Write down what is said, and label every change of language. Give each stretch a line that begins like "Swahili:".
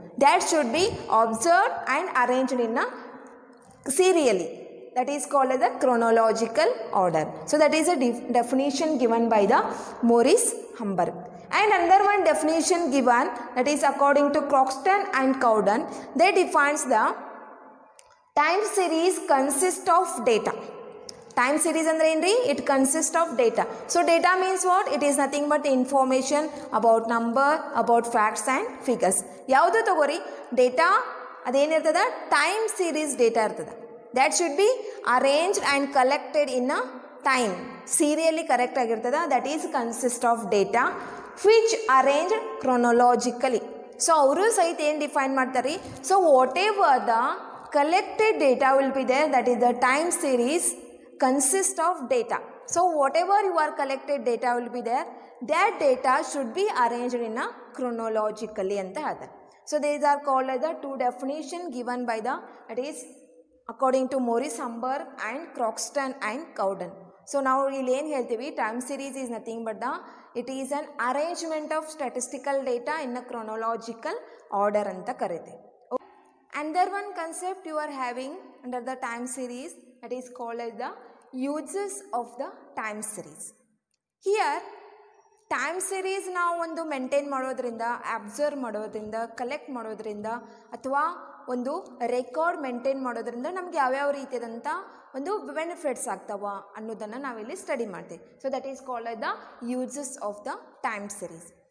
English: That should be observed and arranged in a serially, that is called as a chronological order. So that is a definition given by the Morris Hamburg. And another one definition given, that is according to Croxton and Cowden, they defines the time series consist of data.
Kannada: Time series ಅಂದರೆ ಏನು ರೀ,
English: It consist of data. So data means what, it is nothing but information about number, about facts and figures.
Kannada: ಯಾವುದು ತಗೋರಿ data, ಅದೇನಿರ್ತದ time series data ಇರ್ತದೆ.
English: that should be arranged and collected in a time,
Kannada: serially correct ಆಗಿರ್ತದೆ.
English: That is consist of data which arranged chronologically.
Kannada: So ಅವರು ಸಹಿತ ಏನು define ಮಾಡ್ತಾರೆ,
English: So whatever the collected data will be there, that is the time series consist of data. So whatever you are collected data will be there, that data should be arranged in a chronologically anta hada. So these are called as the two definition given by the, that is according to Morris Hamburg and Croxton and Cowden. So now
Kannada: ili en heltivi,
English: time series is nothing but the, it is an arrangement of statistical data in a chronological order anta karide. And there one concept you are having under the time series, that is called as the uses of the time series. Here
Kannada: time series ನಾವು ಒಂದು maintain ಮಾಡೋದ್ರಿಂದ, observe ಮಾಡೋದ್ರಿಂದ, collect ಮಾಡೋದ್ರಿಂದ ಅಥವಾ ಒಂದು record maintain ಮಾಡೋದ್ರಿಂದ ನಮ್ಗೆ ಯಾವ್ಯಾವ ರೀತಿಯಾದಂಥ ಒಂದು ಬೆನಿಫಿಟ್ಸ್ ಆಗ್ತಾವ ಅನ್ನೋದನ್ನು ನಾವಿಲ್ಲಿ ಸ್ಟಡಿ ಮಾಡ್ತೀವಿ.
English: So that is called the uses of the time series.